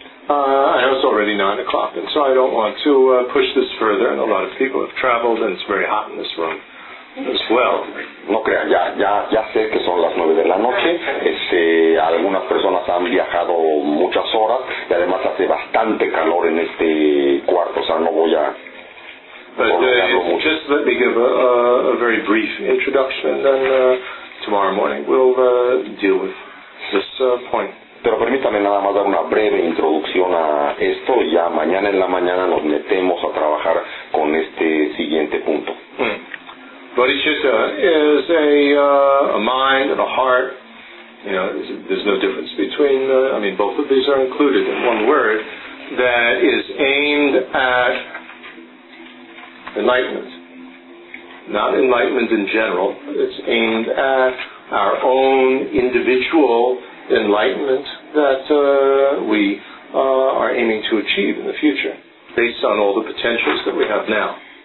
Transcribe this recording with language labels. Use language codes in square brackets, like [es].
[en] I know it's already 9 o'clock, and so I don't want to push this further. And a lot of people have traveled, and it's very hot in this room as well. [es] No crean, ya sé que son las 9 de la noche. Algunas personas han viajado muchas horas, y además hace bastante calor en este cuarto. O sea, no voy a. [en] But just let me give a very brief introduction, and then tomorrow morning we'll deal with this point. [es] Pero permítame nada más dar una breve introducción a esto y ya mañana en la mañana nos metemos a trabajar con este siguiente punto. [en] Bodhicitta is a mind and a heart. You know, there's no difference between, both of these are included in one word, that is aimed at enlightenment. Not enlightenment in general, it's aimed at our own individual enlightenment that we are aiming to achieve in the future based on all the potentials that we have now.